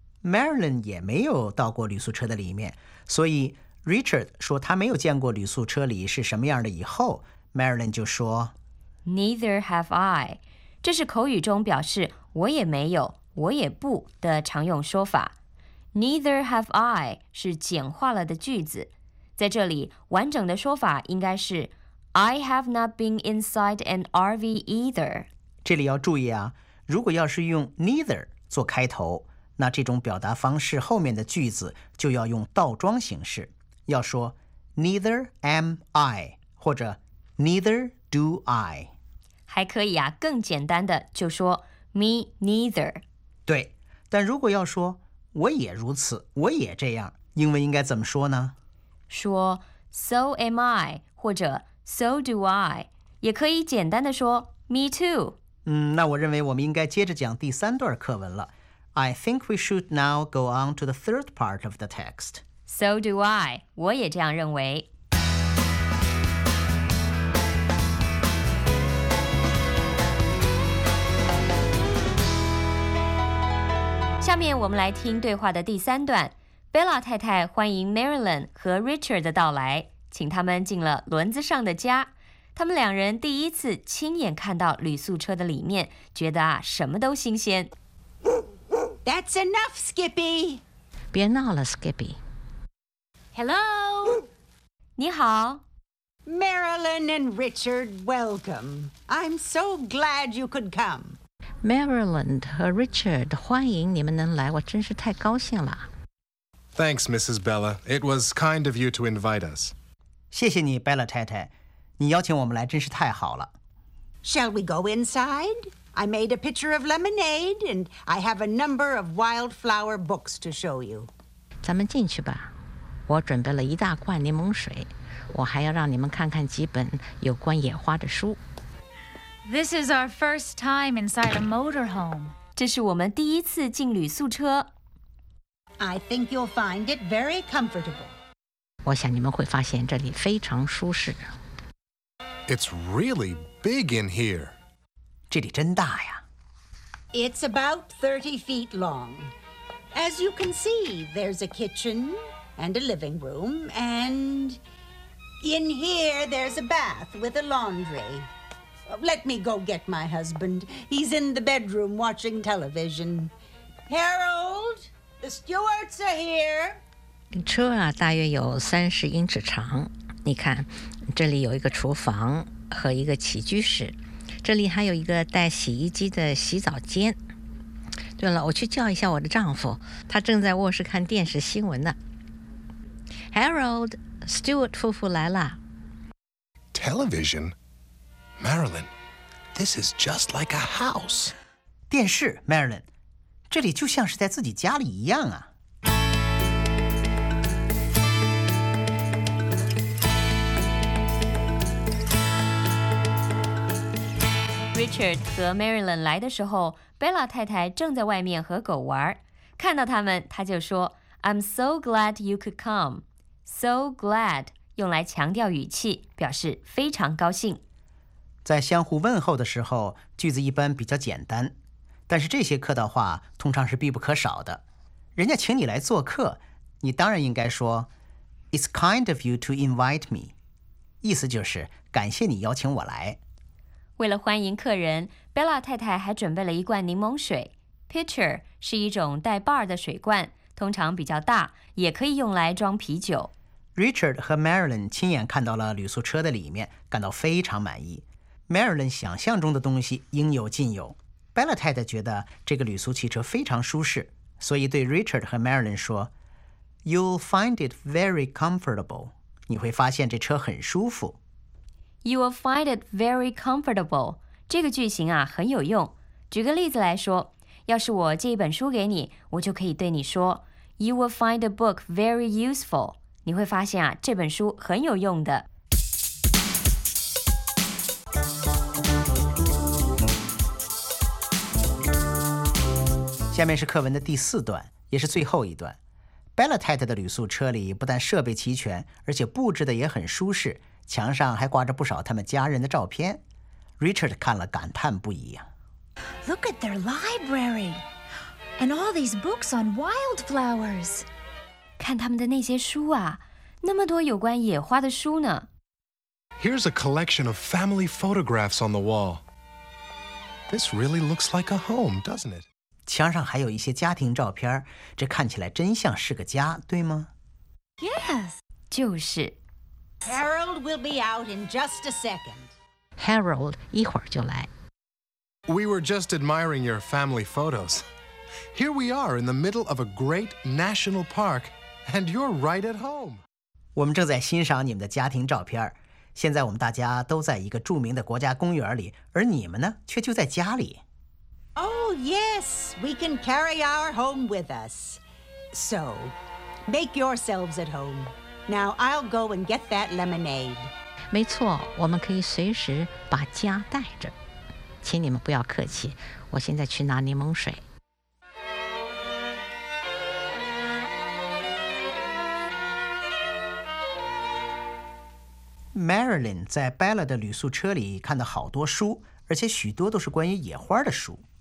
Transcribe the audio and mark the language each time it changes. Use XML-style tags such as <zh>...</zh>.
<zh>Marilyn 也没有到过旅宿车的里面，所以 Richard 说他没有见过旅宿车里是什么样的以后， Marilyn 就说</zh> <en>Neither have I.</en> <zh>这是口语中表示我也没有，我也不的常用说法。</zh> <en>Neither have I</en> <zh>是简化了的句子，在这里完整的说法应该是</zh> <en>I have not been inside an RV either。</en> <zh>这里要注意啊，如果要是用 neither 做开头，那这种表达方式后面的句子就要用倒装形式，要说</zh> <en>Neither am I</en> <zh>或者</zh> <en>Neither do I。</en> <zh>还可以啊，更简单的就说</zh> <en>Me neither。</en> <zh>对，但如果要说我也如此，我也这样，英文应该怎么说呢？说</zh> <en>So am I</en> <zh>或者</zh> <en>So do I，</en> <zh>也可以简单的说</zh> <en>Me too。</en> <zh>嗯，那我认为我们应该接着讲第三段课文了。</zh> <en>I think we should now go on to the third part of the text。 So do I，</en> <zh>我也这样认为。下面我们来听对话的第三段。Bella 太太欢迎 Marilyn 和 Richard 的到来，请他们进了轮子上的家。他们两人第一次亲眼看到旅宿车的里面，觉得啊什么都新鲜。</zh> <en>That's enough, Skippy.</en> <zh>别闹了 Skippy.</zh> <en>Hello.</en> <zh>你好</zh> <en>Marilyn and Richard, welcome. I'm so glad you could come</en> <zh>Marilyn 和 Richard, 欢迎你们能来，我真是太高兴了。</zh> <en>Thanks, Mrs. Bella. It was kind of you to invite us.</en> <zh>谢谢你 ,Bella 太太。你邀请我们来真是太好了。</zh> <en>Shall we go inside? I made a pitcher of lemonade, and I have a number of wildflower books to show you.</en> <zh>咱们进去吧。我准备了一大罐柠檬水。我还要让你们看看几本有关野花的书。</zh> <en>This is our first time inside a motorhome.</en> <zh>这是我们第一次进旅宿车。</zh> <en>I think you'll find it very comfortable.</en> <zh>我想你们会发现这里非常舒适。</zh> <en>It's really big in here.</en> <zh>这里真大呀。</zh> <en>It's about 30 feet long. As you can see, there's a kitchen and a living room, and in here there's a bath with a laundry. Let me go get my husband. He's in the bedroom watching television. Harold, the Stewarts are here.</en> <zh>车啊，大约有30英尺长。你看，这里有一个厨房和一个起居室，这里还有一个带洗衣机的洗澡间。对了，我去叫一下我的丈夫，他正在卧室看电视新闻呢。 Harold, Stewart 夫妇来了。</zh> <en>Television? Marilyn, this is just like a house.</en> <zh>电视 Marilyn, 这里就像是在自己家里一样啊。 Richard 和 Marilyn 来的时候， Bella 太太正在外面和狗玩。看到他们他就说</zh> <en>I'm so glad you could come. So glad</en> <zh>用来强调语气，表示非常高兴。在相互问候的时候，句子一般比较简单，但是这些客套话通常是必不可少的。人家请你来做客，你当然应该说</zh> <en>It's kind of you to invite me.</en> <zh>意思就是感谢你邀请我来。为了欢迎客人， Bella 太太还准备了一罐柠檬水。 Pitcher 是一种带把的水罐，通常比较大，也可以用来装啤酒。 Richard 和 Marilyn 亲眼看到了旅宿车的里面，感到非常满意。 Marilyn 想象中的东西应有尽有。Bella 太太觉得这个旅宿汽车非常舒适，所以对 Richard 和 Marilyn 说</zh> <en>You'll find it very comfortable.</en> <zh>你会发现这车很舒服。</zh> <en>You will find it very comfortable.</en> <zh>这个句型啊很有用。举个例子来说，要是我借一本书给你，我就可以对你说</zh> <en>You will find the book very useful.</en> <zh>你会发现啊，这本书很有用的。下面是课文的第四段，也是最后一段。Bella 太太的旅宿车里不但设备齐全，而且布置的也很舒适，墙上还挂着不少他们家人的照片。 Richard 看了感叹不已啊。</zh> <en>Look at their library, and all these books on wildflowers.</en> <zh>看他们的那些书啊，那么多有关野花的书呢。</zh> <en>Here's a collection of family photographs on the wall. This really looks like a home, doesn't it?</en> <zh>墙上还有一些家庭照片，这看起来真像是个家，对吗？</zh> <en>Yes,</en> <zh>就是。</zh> <en>Harold will be out in just a second.</en> <zh>Harold 一会儿就来。</zh> <en>We were just admiring your family photos. Here we are in the middle of a great national park, and you're right at home.</en> <zh>我们正在欣赏你们的家庭照片，现在我们大家都在一个著名的国家公园里，而你们呢，却就在家里。</zh> <en>Oh, yes, we can carry our home with us. So, make yourselves at home. Now, I'll go and get that lemonade.</en> <zh>没错，我们可以随时把家带着。请你们不要客气，我现在去拿柠檬水。 Marilyn 在 Bella 的旅宿车里看到好多书，而且许多都是关于野花的书。</zh>